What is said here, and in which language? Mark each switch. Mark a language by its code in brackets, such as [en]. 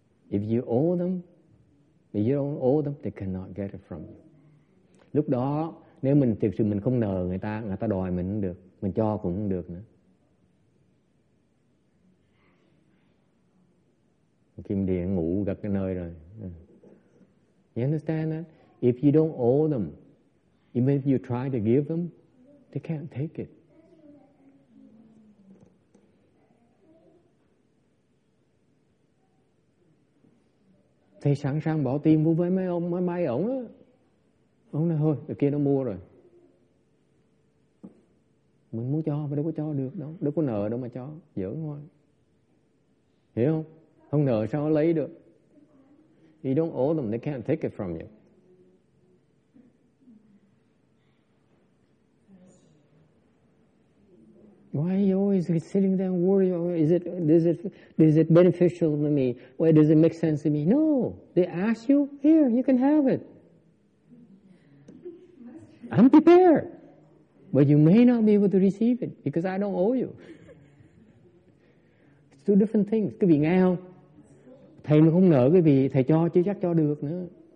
[en] If you owe them, if you don't owe them, they cannot get it from you. [vi] Lúc đó, nếu mình thực sự mình không nợ người ta đòi mình cũng được, mình cho cũng không được nữa. Kim Điện ngủ gật cái nơi rồi. [en] You understand that? If you don't owe them, even if you try to give them, they can't take it. [vi] Thầy sẵn sàng bỏ tiền mua với mấy ông máy bay ổng á. Ông nói thôi, ở kia nó mua rồi. Mình muốn cho mà đâu có cho được đâu. Đâu có nợ đâu mà cho. Giỡn thôi. Hiểu không? Không nợ sao nó lấy được. [en] You don't owe them, they can't take it from you. Why are you always sitting there worrying? Is it beneficial to me? Why does it make sense to me? No, they ask you. Here, you can have it. I'm prepared, but you may not be able to receive it because I don't owe you. It's two different things. [vi] Quý vị nghe không? Thầy mà không nợ quý vị, thầy cho chứ chắc cho được nữa.